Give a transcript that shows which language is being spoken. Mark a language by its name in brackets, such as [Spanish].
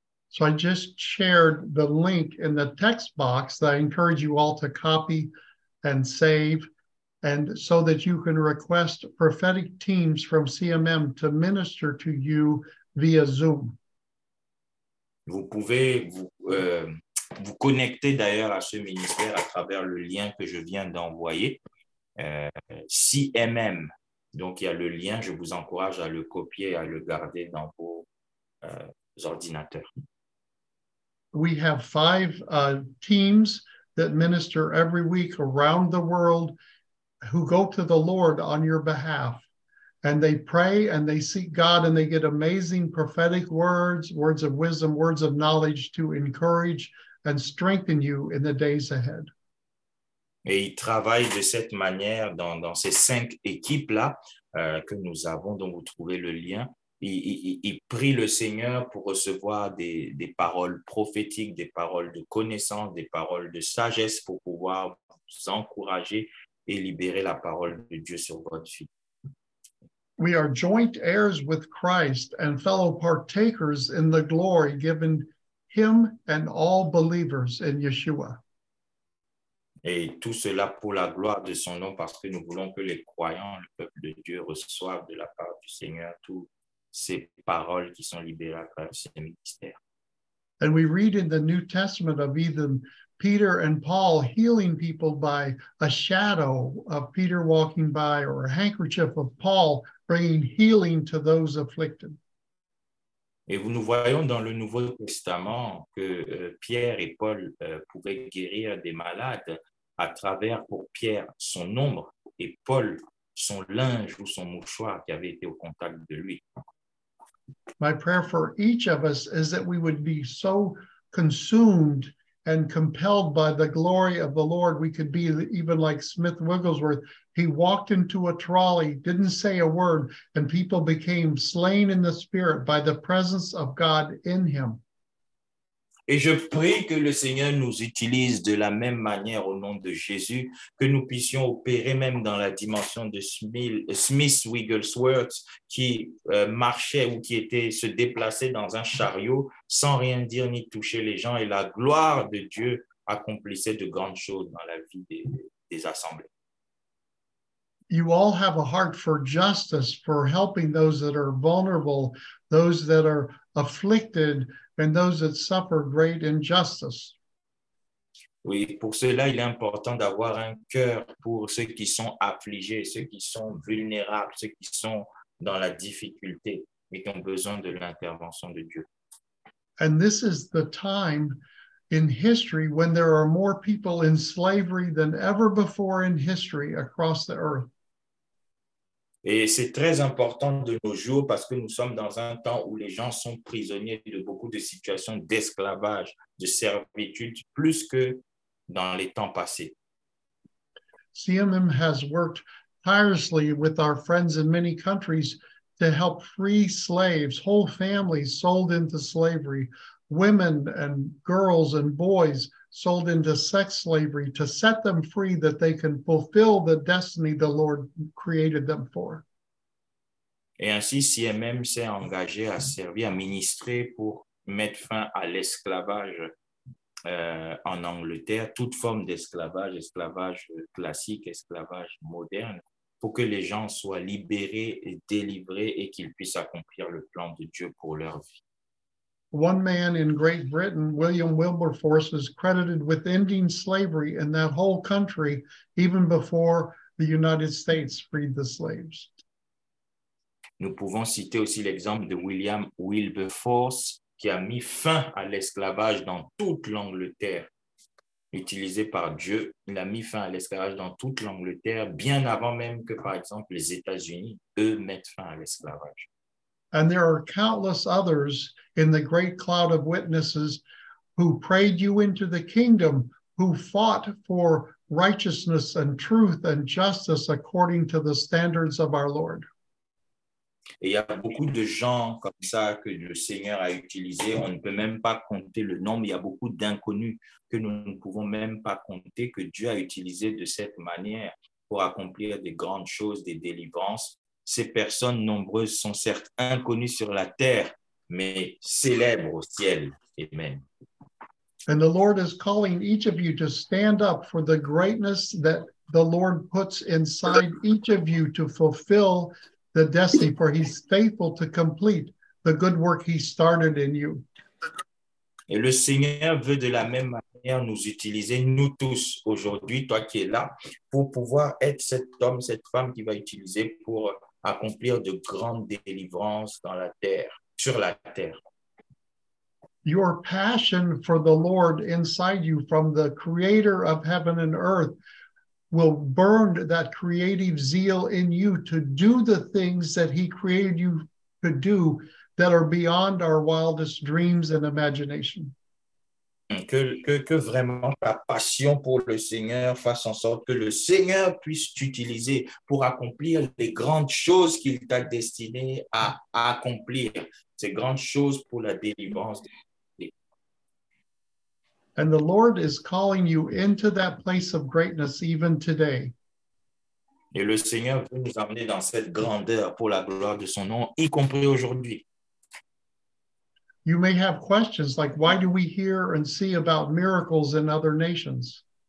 [English] So I just shared the link in the text box that I encourage you all to copy and save, and so that you can request prophetic teams from CMM to minister to you via Zoom. [French] Vous pouvez vous connecter d'ailleurs à ce ministère à travers le lien que je viens d'envoyer, CMM. Donc, il y a le lien, je vous encourage à le copier et à le garder dans vos ordinateurs. [English] We have five teams that minister every week around the world who go to the Lord on your behalf. And they pray and they seek God and they get amazing prophetic words, words of wisdom, words of knowledge to encourage and strengthen you in the days ahead. [French] Et ils travaillent de cette manière dans ces cinq équipes-là que nous avons, dont vous trouvez le lien. Ils prient le Seigneur pour recevoir des paroles prophétiques, des paroles de connaissance, des paroles de sagesse pour pouvoir vous encourager et libérer la parole de Dieu sur votre vie. [English] We are joint heirs with Christ and fellow partakers in the glory given him and all believers in Yeshua. [French] Et tout cela pour la gloire de son nom, parce que nous voulons que les croyants, le peuple de Dieu, reçoivent de la part du Seigneur toutes ces paroles qui sont libérées par ce ministère. [English] And we read in the New Testament of even Peter and Paul healing people by a shadow of Peter walking by or a handkerchief of Paul bringing healing to those afflicted. [French] Et nous voyons dans le Nouveau Testament que Pierre et Paul pouvaient guérir des malades à travers, pour Pierre, son ombre et Paul, son linge ou son mouchoir qui avait été au contact de lui. [English] My prayer for each of us is that we would be so consumed and compelled by the glory of the Lord, we could be even like Smith Wigglesworth. He walked into a trolley, didn't say a word, and people became slain in the spirit by the presence of God in him. [French] Et je prie que le Seigneur nous utilise de la même manière au nom de Jésus, que nous puissions opérer même dans la dimension de Smith Wigglesworth qui marchait ou qui était se déplaçait dans un chariot sans rien dire ni toucher les gens, et la gloire de Dieu accomplissait de grandes choses dans la vie des assemblées. [English] You all have a heart for justice, for helping those that are vulnerable, those that are afflicted, and those that suffer great injustice. [French] Oui, pour cela, il est important d'avoir un cœur pour ceux qui sont affligés, ceux qui sont vulnérables, ceux qui sont dans la difficulté et qui ont besoin de l'intervention de Dieu. [English] And this is the time in history when there are more people in slavery than ever before in history across the earth. [French] Et c'est très important de nos jours parce que nous sommes dans un temps où les gens sont prisonniers de beaucoup de situations d'esclavage, de servitude, plus que dans les temps passés. [English] CMM has worked tirelessly with our friends in many countries to help free slaves, whole families sold into slavery, women and girls and boys sold into sex slavery, to set them free that they can fulfill the destiny the Lord created them for. [French] Et ainsi, CMM s'est engagé à servir, à ministrer pour mettre fin à l'esclavage en Angleterre, toute forme d'esclavage, esclavage classique, esclavage moderne, pour que les gens soient libérés et délivrés et qu'ils puissent accomplir le plan de Dieu pour leur vie. [English] One man in Great Britain, William Wilberforce, is credited with ending slavery in that whole country even before the United States freed the slaves. [French] Nous pouvons citer aussi l'exemple de William Wilberforce qui a mis fin à l'esclavage dans toute l'Angleterre, utilisé par Dieu. Il a mis fin à l'esclavage dans toute l'Angleterre, bien avant même que, par exemple, les États-Unis, eux, mettent fin à l'esclavage. [English] And there are countless others in the great cloud of witnesses who prayed you into the kingdom, who fought for righteousness and truth and justice according to the standards of our Lord. [French] Et il y a beaucoup de gens comme ça que le Seigneur a utilisé. On ne peut même pas compter le nombre. Il y a beaucoup d'inconnus que nous ne pouvons même pas compter que Dieu a utilisé de cette manière pour accomplir des grandes choses, des délivrances. Ces personnes nombreuses sont certes inconnues sur la terre, mais célèbres au ciel. Amen. [English] And the Lord is calling each of you to stand up for the greatness that the Lord puts inside each of you to fulfill the destiny, for he's faithful to complete the good work he started in you. [French] Et le Seigneur veut de la même manière nous utiliser, nous tous, aujourd'hui, toi qui es là, pour pouvoir être cet homme, cette femme qui va utiliser pour accomplir de grandes délivrances dans la terre, sur la terre. [English] Your passion for the Lord inside you from the creator of heaven and earth will burn that creative zeal in you to do the things that he created you to do that are beyond our wildest dreams and imagination. [French] Que vraiment ta passion pour le Seigneur fasse en sorte que le Seigneur puisse t'utiliser pour accomplir les grandes choses qu'il t'a destiné à accomplir, ces grandes choses pour la délivrance. [English] And the Lord is calling you into that place of greatness even today. [French] Et le Seigneur veut nous amener dans cette grandeur pour la gloire de son nom, y compris aujourd'hui. [English] You may have questions like, why do we hear and see about miracles in other nations?